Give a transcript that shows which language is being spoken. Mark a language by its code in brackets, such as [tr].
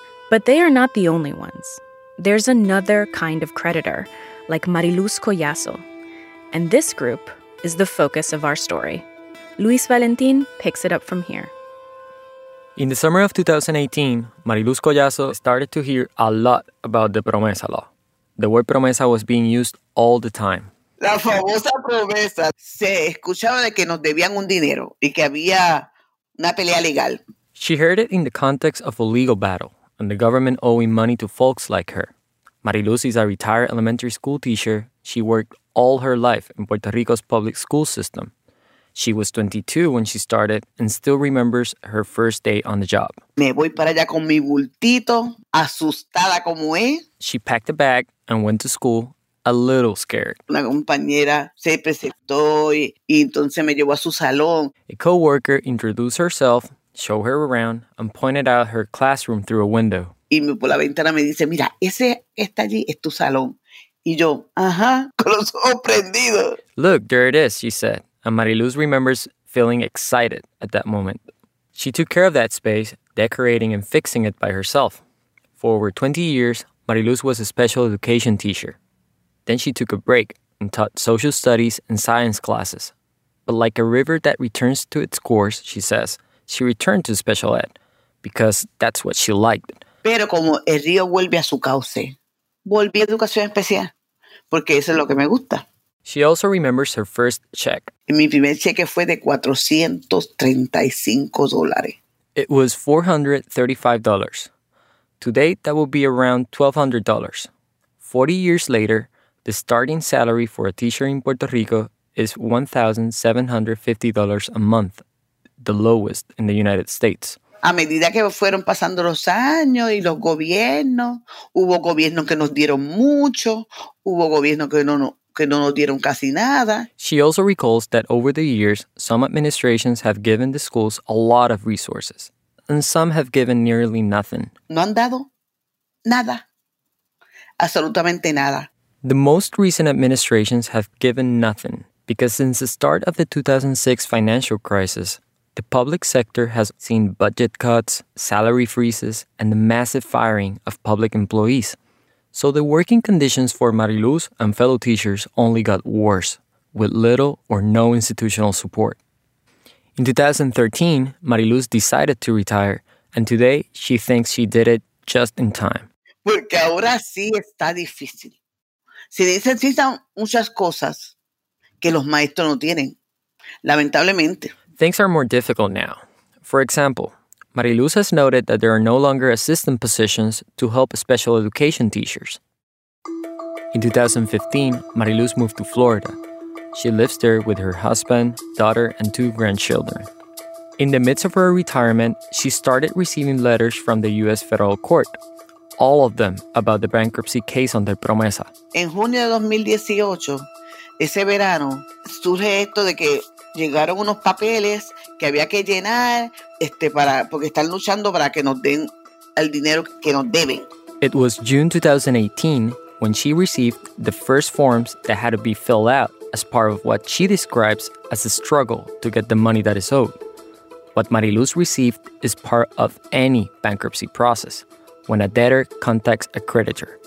[en] But they are not the only ones. There's another kind of creditor, like Mariluz Collazo. And this group is the focus of our story. Luis Valentín picks it up from here. In the summer of 2018, Mariluz Collazo started to hear a lot about the Promesa Law. The word Promesa was being used all the time. [es] La famosa promesa. Se escuchaba de que nos debían un dinero y que había Una pelea legal. [en] She heard it in the context of a legal battle and the government owing money to folks like her. Mariluz is a retired elementary school teacher. She worked all her life in Puerto Rico's public school system. She was 22 when she started and still remembers her first day on the job. [es] Me voy para allá con mi bultito, asustada como es. [en] She packed a bag and went to school, a little scared. [es] Una compañera se presentó y entonces me llevó a su salón. A co-worker introduced herself, showed her around, and pointed out her classroom through a window. Y me por la ventana me dice, mira, ese está allí, es tu salón. Y yo, ajá, con los ojos prendidos. [en] Look, there it is, she said. And Mariluz remembers feeling excited at that moment. She took care of that space, decorating and fixing it by herself. For over 20 years, Mariluz was a special education teacher. Then she took a break and taught social studies and science classes. But like a river that returns to its course, she says, she returned to special ed because that's what she liked. [es] Pero como el río vuelve a su cauce, volví a educación especial porque eso es lo que me gusta. [en] She also remembers her first check. [es] Mi primer cheque fue de $435. [en] It was $435. Today, that would be around $1,200. 40 years later, the starting salary for a teacher in Puerto Rico is $1,750 a month, the lowest in the United States. [es] A medida que fueron pasando los años y los gobiernos, hubo gobiernos que nos dieron mucho, hubo gobiernos que no nos dieron casi nada. [en] She also recalls that over the years, some administrations have given the schools a lot of resources, and some have given nearly nothing. [es] No han dado nada. Absolutamente nada. [en] The most recent administrations have given nothing, because since the start of the 2006 financial crisis, the public sector has seen budget cuts, salary freezes, and the massive firing of public employees. So the working conditions for Mariluz and fellow teachers only got worse, with little or no institutional support. In 2013, Mariluz decided to retire, and today she thinks she did it just in time. [es] Porque ahora sí está difícil. Se necesitan muchas cosas que los maestros no tienen, lamentablemente. [en] Things are more difficult now. For example, Mariluz has noted that there are no longer assistant positions to help special education teachers. In 2015, Mariluz moved to Florida. She lives there with her husband, daughter, and two grandchildren. In the midst of her retirement, she started receiving letters from the U.S. federal court, all of them about the bankruptcy case under Promesa. [es] En junio de 2018, ese verano, surge esto de que llegaron unos papeles que había que llenar porque están luchando para que nos den el dinero que nos deben. [en] It was June 2018 when she received the first forms that had to be filled out as part of what she describes as a struggle to get the money that is owed. What Mariluz received is part of any bankruptcy process when a debtor contacts a creditor.